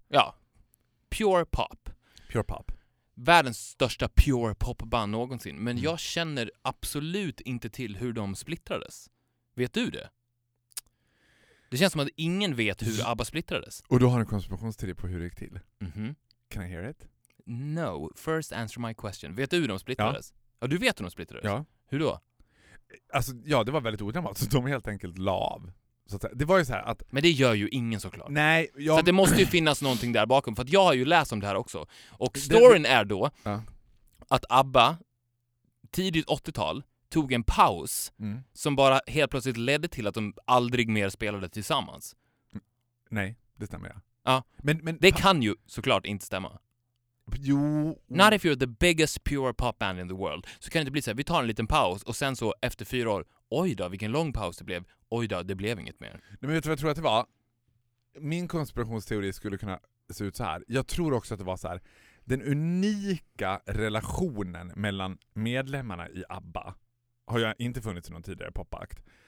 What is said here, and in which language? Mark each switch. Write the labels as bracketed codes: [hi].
[en] Ja, pure pop. Pure pop. [sv] Världens största pure popband någonsin. Men jag känner absolut inte till hur de splittrades. Vet du det? Det känns som att ingen vet hur ABBA splittrades. Och då har du en konspirationsteori på hur det gick till. Mm-hmm. [en] Can I hear it? No, first answer my question. [sv] Vet du hur de splittrades? Ja. Ja, du vet hur de splittrades? Ja. Hur då? Alltså, ja, det var väldigt odramatiskt. De är helt enkelt lav. Så att, det var ju så här att... Men det gör ju ingen såklart. Nej, jag... Så det måste ju finnas någonting där bakom. För att jag har ju läst om det här också. Och storyn är då att ABBA tidigt 80-tal tog en paus som bara helt plötsligt ledde till att de aldrig mer spelade tillsammans. Nej, det stämmer ja. Ja, men det kan ju såklart inte stämma. Jo. [en] Not if you're the biggest pure pop band in the world. [sv] Så kan det inte bli så här, vi tar en liten paus och sen så efter 4 år, oj då, vilken lång paus det blev. Oj då, det blev inget mer. Nej, men vet du vad jag tror att det var? Min konspirationsteori skulle kunna se ut så här. Jag tror också att det var så här. Den unika relationen mellan medlemmarna i ABBA har jag inte funnits i någon tidigare popakt.